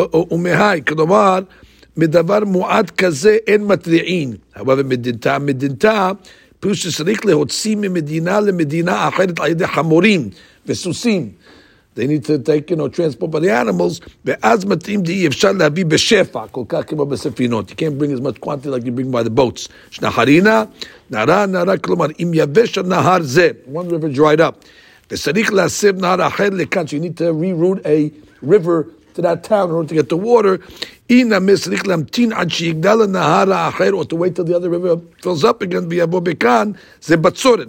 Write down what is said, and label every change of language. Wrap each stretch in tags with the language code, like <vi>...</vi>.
<he>ומהי, כלומר, מדבר מועד כזה אין מטריעין. אבל מדינתה, מדינתה, פירוש שצריך להוציא ממדינה למדינה אחרת על ידי חמורים וסוסים.</he> <en>They need to take, you know, transport by the animals.</en> <he>ואז מתאים די אפשר להביא בשפע, כל כך כמו בספינות.</he> <en>You can't bring as much quantity like you bring by the boats.</en> <he>שנחרינה, נערה, נערה, כלומר, אם יבש הנהר זה,</he> <en>one river dried up,</en> <he>וצריך להסב נהר אחר לכאן,</he> <en>so you need to reroute a river to that town in order to get the water,</en> <he>אינה מצריך להמתין עד שיגדל הנהר האחר,</he> <en>or to wait till the other river fills up again,</en> <he>ויבוא בכאן, זה בצורת.</he>